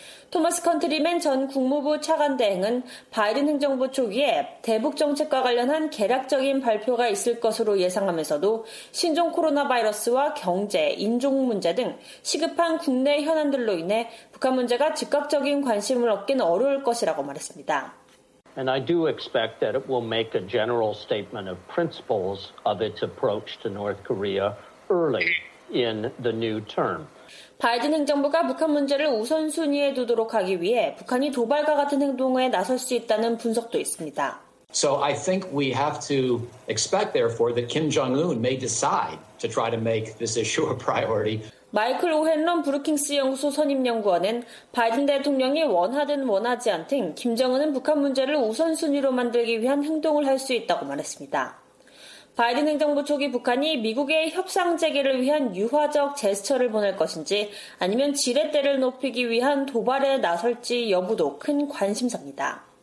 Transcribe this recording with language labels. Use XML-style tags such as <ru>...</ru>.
<ko>토마스 컨트리맨 전 국무부 차관대행은 바이든 행정부 초기에 대북 정책과 관련한 계략적인 발표가 있을 것으로 예상하면서도 신종 코로나 바이러스와 경제, 인종 문제 등 시급한 국내 현안들로 인해 북한 문제가 즉각적인 관심을 얻긴 어려울 것이라고 말했습니다.</ko> <en>And I do expect that it will make a general statement of principles of its approach to North Korea early in the new term.</en> <ko>바이든 행정부가 북한 문제를 우선순위에 두도록 하기 위해 북한이 도발과 같은 행동에 나설 수 있다는 분석도 있습니다.</ko> <en>So I think we have to expect, therefore, that Kim Jong-un may decide to try to make this issue a priority.</en> <ko>마이클 오헨런 브루킹스 연구소 선임연구원은 바이든 대통령이 원하든 원하지 않든 김정은은 북한 문제를 우선순위로 만들기 위한 행동을 할 수 있다고 말했습니다. 바이든 행정부 초기 북한이 미국의 협상 재개를 위한 유화적 제스처를 보낼 것인지 아니면 지렛대를 높이기 위한 도발에 나설지 여부도 큰 관심사입니다.</ko>